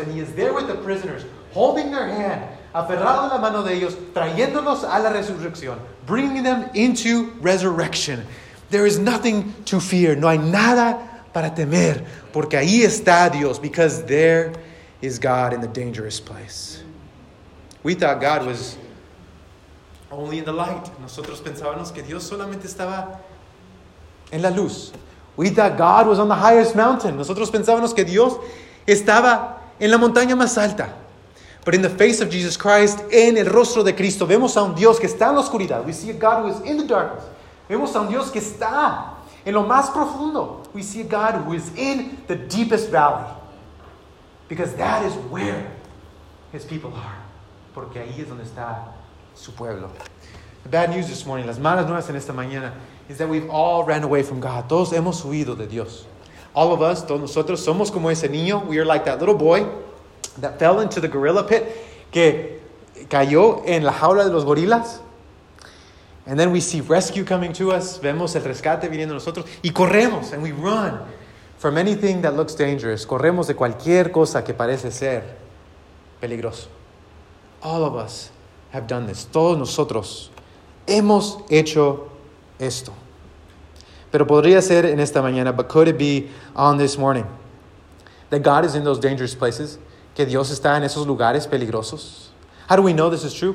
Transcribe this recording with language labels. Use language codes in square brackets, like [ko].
[en] And he is there with the prisoners, holding their hand, [es] aferrado la mano de ellos, trayéndolos a la resurrección, [en] bringing them into resurrection. There is nothing to fear. [es] No hay nada para temer. Porque ahí está Dios. [en] Because there is God in the dangerous place. We thought God was only in the light. [es] Nosotros pensábamos que Dios solamente estaba en la luz. [en] We thought God was on the highest mountain. [es] Nosotros pensábamos que Dios estaba en la montaña más alta. [en] But in the face of Jesus Christ, [es] en el rostro de Cristo, vemos a un Dios que está en la oscuridad. [en] We see a God who is in the darkness. [es] Vemos a un Dios que está en lo más profundo. [en] We see a God who is in the deepest valley. Because that is where his people are. [es] Porque ahí es donde está su pueblo. [en] The bad news this morning, [es] las malas nuevas en esta mañana, [en] is that we've all ran away from God. [es] Todos hemos huido de Dios. [en] All of us, [es] todos nosotros, somos como ese niño. [en] We are like that little boy that fell into the gorilla pit, [es] que cayó en la jaula de los gorilas. [en] And then we see rescue coming to us. [es] Vemos el rescate viniendo a nosotros. Y corremos, [en] and we run from anything that looks dangerous. [es] Corremos de cualquier cosa que parece ser peligroso. [en] All of us have done this. [es] Todos nosotros hemos hecho esto. Pero podría ser en esta mañana, [en] but could it be on this morning, that God is in those dangerous places, [es] que Dios está en esos lugares peligrosos? [en] How do we know this is true?